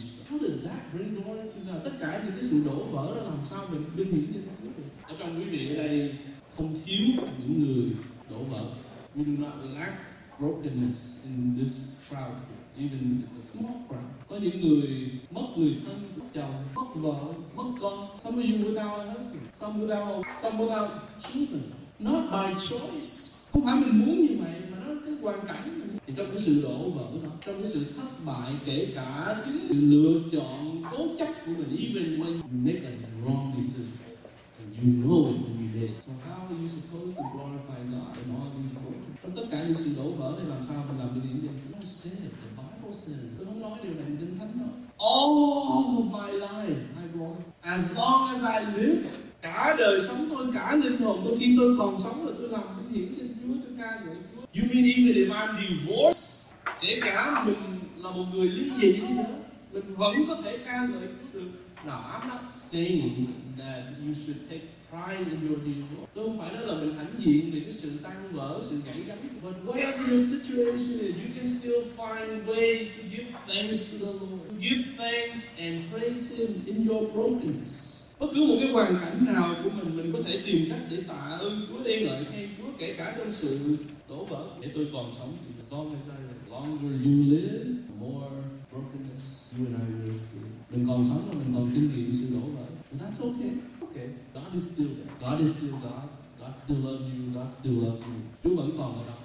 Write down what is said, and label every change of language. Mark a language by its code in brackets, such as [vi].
[en] How does that bring glory to God? [vi] Tất cả những cái sự đổ vỡ đó làm sao mình vinh hiển cho Chúa? Ở trong quý vị ở đây không thiếu những người đổ vỡ. [en] We do not lack brokenness in this crowd, even in a small crowd. [vi] Có những người mất người thân, mất chồng, mất vợ, mất con. [en] Some of you without a husband, some without children. Not by choice. [vi] Không phải mình muốn như vậy mà nó cái hoàn cảnh. Trong cái sự đổ vỡ đó, trong cái sự thất bại, kể cả chính sự lựa chọn cố chấp của mình, [en] even when you make a wrong decision and you know it when you did it. So how are you supposed to glorify God in all these moments? [vi] Trong tất cả những sự đổ vỡ này làm sao mình làm cái điểm gì? [en] I said, the Bible says, [vi] tôi không nói điều này, Kinh Thánh nói. [en] All of my life, I glory. As long as I live, [vi] cả đời sống tôi, cả linh hồn tôi, khi tôi còn sống là tôi làm cái điểm gì? Chúa, tôi ca ngợi. [en] You mean even if I'm divorced, [vi] kể cả mình là một người ly dị đi nữa, mình vẫn có thể ca ngợi Chúa được. [en] Now, I'm not saying that you should take pride in your divorce. [vi] Tôi không phải nói là mình hãnh diện vì cái sự tan vỡ, sự gãy gắn. [en] But whatever your situation is, you can still find ways to give thanks to the Lord. Give thanks and praise Him in your brokenness. [vi] bất cứ một cái hoàn cảnh nào của mình có thể tìm cách để tạ ơn Chúa, đem lợi hay Chúa, kể cả trong sự đổ vỡ. Để tôi còn sống thì [en] longer you live, more brokenness you and I will experience. [vi] Mình còn sống và mình còn kinh nghiệm sự đổ vỡ. [en] That's okay. Okay. God is still there. God is still God. God still loves you. God still loves you. [vi] Chúa vẫn còn ở đó.